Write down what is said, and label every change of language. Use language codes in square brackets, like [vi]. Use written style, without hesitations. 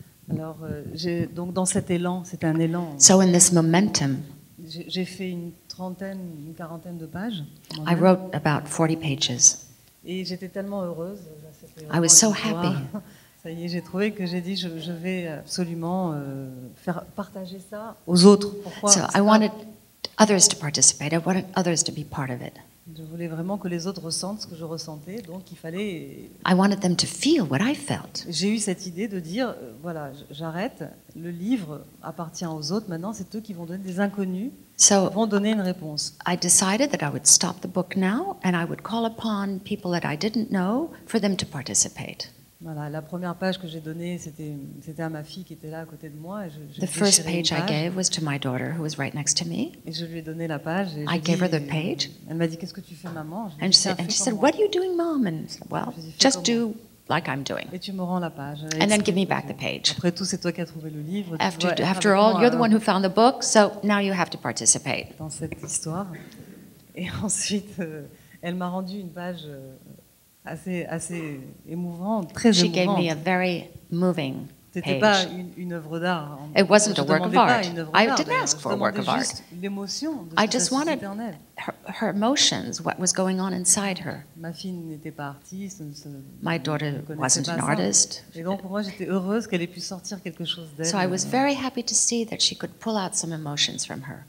[fr] Alors, donc dans cet élan, c'est un élan. [en] So in this momentum, [fr] j'ai fait une quarantaine de pages. [en] I wrote about 40 pages. [fr] Et j'étais tellement heureuse. [en] I was so happy. [fr] Ça y est, j'ai trouvé que j'ai dit, je vais absolument faire partager ça aux autres. Pourquoi? [en] So I wanted others to participate. I wanted others to be part of it. [fr] Je voulais vraiment que les autres ressentent ce que je ressentais, donc il fallait. [en] I wanted them to feel what I felt. [fr] J'ai eu cette idée de dire, voilà, j'arrête. Le livre appartient aux autres. Maintenant, c'est eux qui vont donner des inconnus, [en] so [fr] vont donner une réponse. [en] I decided that I would stop the book now and I would call upon people that I didn't know for them to participate. [fr] Voilà, la première page que j'ai donnée, c'était à ma fille qui était là à côté de moi. [en] The first page I gave was to my daughter who was right next to me. [fr] Et je lui ai donné la page. [en] I gave her the page. [fr] Elle m'a dit, qu'est-ce que tu fais, maman? [en] And she said, what are you doing, mom? And well, just do like I'm doing. [fr] Et tu me rends la page. [en] And then give me back the page. [fr] Après tout, c'est toi qui as trouvé le livre. [en] After all, you're the one who found the book, so now you have to participate. [fr] Dans cette histoire. Et ensuite, elle m'a rendu une page. Assez émouvant, très [en] émouvant. She gave me a very moving [fr] page. Pas une œuvre d'art. [en] It wasn't a work of art. I didn't ask for a work of art. I just wanted her emotions, what was going on inside her. [fr] Ma fille n'était pas artiste, ne se, [en] my daughter [fr] ne [en] wasn't [fr] pas [en] an artist. [fr] Et donc, moi, j'étais heureuse qu'elle ait pu sortir quelque chose d'elle. [en] So I was very happy to see that she could pull out some emotions from her.